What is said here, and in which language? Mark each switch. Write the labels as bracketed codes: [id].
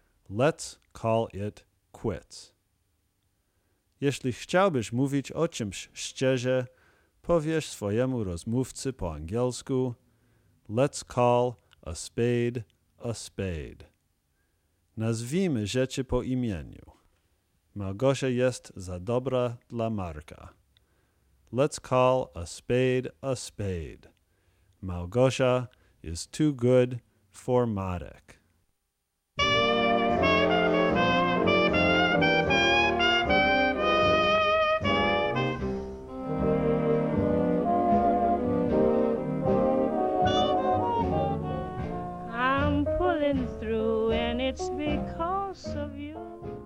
[en] Let's call it quits. [pl] Jeśli chciałbyś mówić o czymś szczerze, powiesz swojemu rozmówcy po angielsku: [en] let's call a spade, a spade. [pl] Nazwijmy rzeczy po imieniu. Małgosia jest za dobra dla Marka. [en] Let's call a spade a spade. Małgosia is too good for Marek. I'm pulling through, and it's because of you.